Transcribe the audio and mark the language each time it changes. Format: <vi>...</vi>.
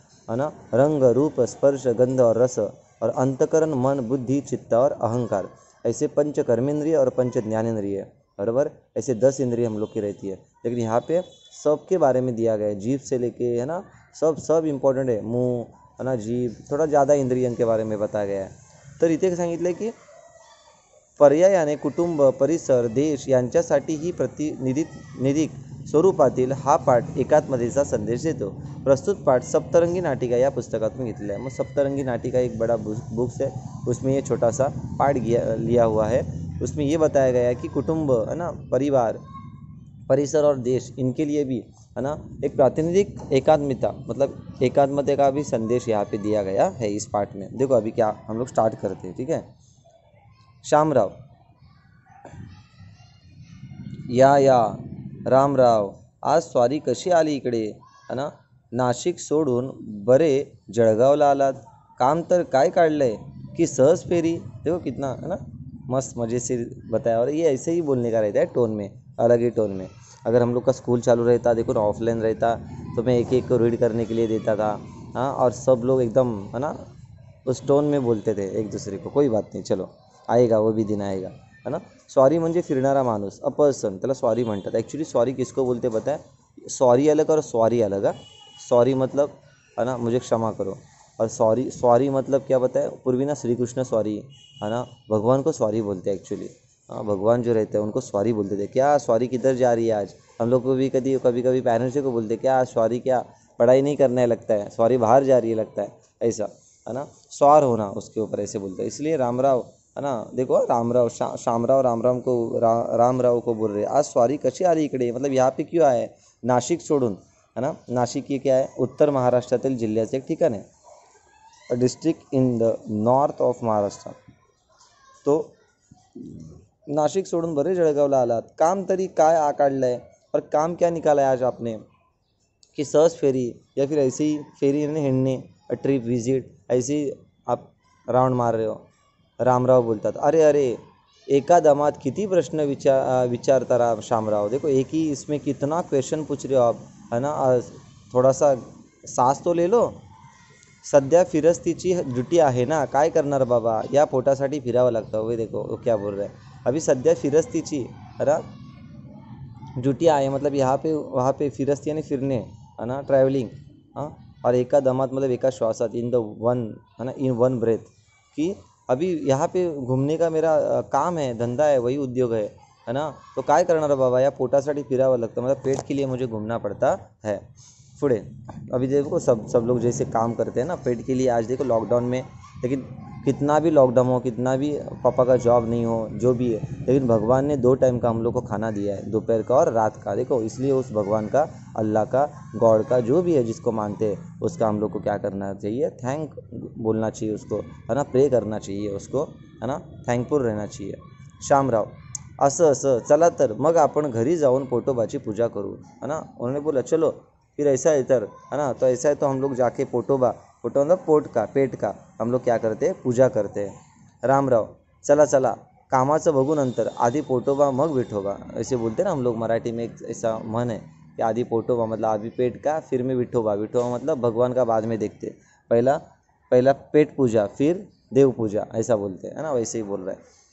<hi>है ना, रंग रूप स्पर्श गंध और रस और अंतकरण मन बुद्धि चित्त और अहंकार, ऐसे पंच कर्मेंद्रिय और पंच ज्ञानेंद्रिय, बरोबर ऐसे 10 इंद्रिय हम लोग की रहती है, लेकिन यहाँ पे सब के बारे में दिया गया है, जीभ से लेके है ना सब सब इम्पॉर्टेंट है, मुँह है ना जीभ थोड़ा ज़्यादा इंद्रियन के बारे में बताया गया है।</hi> <mr>तो इथे सांगितलं की पर्यायाने कुटुंब परिसर देश यांच्यासाठी ही प्रतिनिधिक स्वरूपातील हा पाठ एकात्मतेचा संदेश देतो। प्रस्तुत पाठ सप्तरंगी नाटिका या पुस्तकातून घेतलेला आहे।</mr> <hi>मग सप्तरंगी नाटिका एक बड़ा बुक्स है, उसमें ये छोटा सा पाठ लिया हुआ है, उसमें ये बताया गया है कि कुटुंब है ना परिवार परिसर और देश इनके लिए भी है ना एक प्रातिनिधिक एकात्मिता मतलब एकात्मते का भी संदेश यहाँ पे दिया गया है इस पाठ में। देखो अभी क्या हम लोग स्टार्ट करते हैं, ठीक है। श्यामराव या राम राव,</hi> <mr>आज स्वारी कशी आली इकडे</mr> <hi>है ना,</hi> <mr>नाशिक सोडून बरे जळगावला आलात, काम तर काय काढलंय की सहज फेरी,</mr> <hi>देखो कितना है ना मस्त मजेशीर बताया, और ये ऐसे ही बोलने का रहता है टोन में, अलग ही टोन में। अगर हम लोग का स्कूल चालू रहता, देखो ऑफलाइन रहता तो मैं एक एक को रीड करने के लिए देता था हाँ, और सब लोग एकदम है ना उस टोन में बोलते थे एक दूसरे को, कोई बात नहीं चलो आएगा वो भी दिन आएगा है ना।</hi> <mr>सॉरी म्हणजे फिरणारा माणूस,</mr> <en>a person,</en> <mr>त्याला सॉरी म्हणतात।</mr> <hi>ॲक्च्युली सॉरी किसको बोलते बताय, सॉरी अलग और सॉरी अलग है। सॉरी मतलब है ना मुझे क्षमा करो, और सॉरी सॉरी मतलब क्या बताए, पूर्वी ना श्री कृष्ण सॉरी है ना, भगवान को सॉरी बोलते हैं एक्चुअली। हाँ भगवान जो रहते हैं उनको सॉरी बोलते थे। क्या सॉरी किधर जा रही है आज, हम लोग को भी कभी कभी कभी पेरेंट्स को बोलते हैं क्या सॉरी, क्या पढ़ाई नहीं करना है लगता है, सॉरी बाहर जा रही है लगता है, ऐसा है ना सॉर होना उसके ऊपर ऐसे बोलते हैं। इसलिए राम राव है ना, देखो राम राव श्याम राव राम राम को राम राव को बोल रहे हैं आज सॉरी कैसे आ रही इकड़े, मतलब यहाँ पे क्यों आए, नाशिक छोड़ून है ना।</hi> <mr>नाशिक ये क्या है, उत्तर महाराष्ट्र जिल्ह्याचं एक ठिकाण आहे,</mr> <en>A district in the north of Maharashtra.</en> <mr>तो नाशिक सोडून बरे जळगावला आलात, काम तरी काय आकाडलंय,</mr> <hi>और काम क्या निकाला है आज आपने, कि सहज फेरी या फिर ऐसी फेरी यानी हिंडने, अ ट्रिप विजिट, ऐसी आप राउंड मार रहे हो, राम राव बोलता था।</hi> <mr>अरे अरे एका दमात किती प्रश्न विचारता रहा श्यामराव,</mr> <hi>देखो एक ही इसमें कितना क्वेश्चन पूछ रहे हो आप है ना। थोड़ा सा सांस तो ले लो,</hi> <mr>सध्या फिरस्तीची ड्यूटी आहे ना, काय करणार बाबा, या पोटासाठी फिरावं लागतं।</mr> <hi>वे देखो वो क्या बोल रहे, अभी सध्या फिरस्तीची है ना ड्यूटी आहे, मतलब यहाँ पे वहाँ पे फिरस्ती यानी फिरने है ना, ट्रैवलिंग हाँ, और एका दमात मतलब एका श्वासात इन द वन है ना,</hi> <en>in one breath,</en> <hi>कि अभी यहाँ पे घूमने का मेरा काम है, धंधा है, वही उद्योग है ना, तो</hi> <mr>काय करणार बाबा, या पोटासाठी फिरावं लागतं,</mr> <hi>मतलब पेट के लिए मुझे घूमना पड़ता है। फुड़े अभी देखो सब सब लोग जैसे काम करते हैं ना पेट के लिए, आज देखो लॉकडाउन में, लेकिन कितना भी लॉकडाउन हो, कितना भी पापा का जॉब नहीं हो, जो भी है, लेकिन भगवान ने दो टाइम का हम लोग को खाना दिया है, दोपहर का और रात का, देखो इसलिए उस भगवान का, अल्लाह का, गॉड का, जो भी है जिसको मानते हैं, उसका हम लोग को क्या करना चाहिए, थैंक बोलना चाहिए उसको है ना, प्रे करना चाहिए उसको है ना, थैंकफुल रहना चाहिए।</hi> <mr>श्याम राव असं असं चला तर मग आपण घरी जाऊन पोटोबाची पूजा करू है ना।</mr> <hi>उन्होंने बोला चलो फिर ऐसा है तर है ना, तो ऐसा है तो हम लोग जाके पोटोबा, पोटो मतलब पोट का, पेट का, हम लोग क्या करते हैं पूजा करते हैं।</hi> <mr>राम राव चला चला कामाचं बघू नंतर, आधी पोटोबा मग विठोबा,</mr> <hi>ऐसे बोलते ना हम लोग मराठी में, एक ऐसा मन है कि आधी पोटोबा मतलब आधी पेट का, फिर में विठोबा, विठोबा मतलब भगवान का बाद में देखते, पहला पहला पेट पूजा फिर देव पूजा, ऐसा बोलते हैं ना, वैसे ही बोल रहे हैं।</hi>